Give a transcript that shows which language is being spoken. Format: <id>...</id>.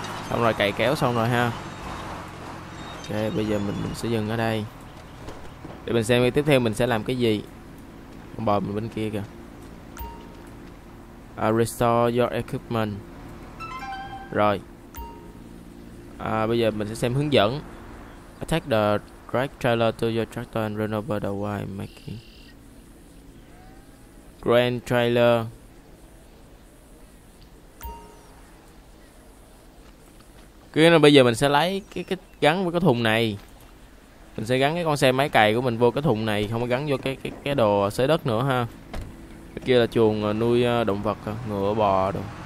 <vi>Xong rồi cày kéo xong rồi ha. Ok, bây giờ mình sẽ dừng ở đây. Để mình xem tiếp theo mình sẽ làm cái gì. Con bò mình bên kia kìa.</vi> <en>Restore your equipment.</en> <vi>Rồi. À, bây giờ mình sẽ xem hướng dẫn.</vi> <en>Attach the drag trailer to your tractor and run over the wire making grain trailer.</en> <vi>Cái là bây giờ mình sẽ lấy cái gắn với cái thùng này. Mình sẽ gắn cái con xe máy cày của mình vô cái thùng này, không có gắn vô cái đồ xới đất nữa ha. Cái kia là chuồng nuôi động vật, ngựa bò đồ.</vi>